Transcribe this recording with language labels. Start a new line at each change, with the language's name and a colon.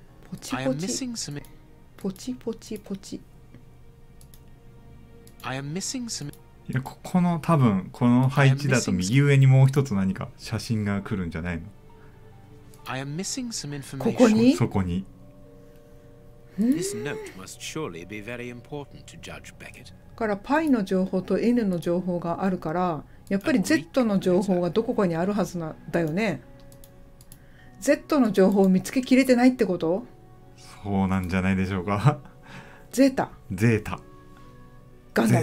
Japanese: ポチポチ。
English: I am missing some...
Japanese: ポチポチポチ。
English: I am missing some...
Japanese: いや、ここの多分この配置だと右上にもう一つ何か写真が来るんじゃないの。
English: I am missing some information.
Japanese: ここに、そこに。
English: This note must surely be very important to Judge Beckett.
Japanese: から π の情報と N の情報があるから、やっぱり Z の情報がどこかにあるはずなだよね。 Z の情報を見つけきれてないってこと？そうなんじゃないでしょうか。ゼータ。ゼータ。ガンダム。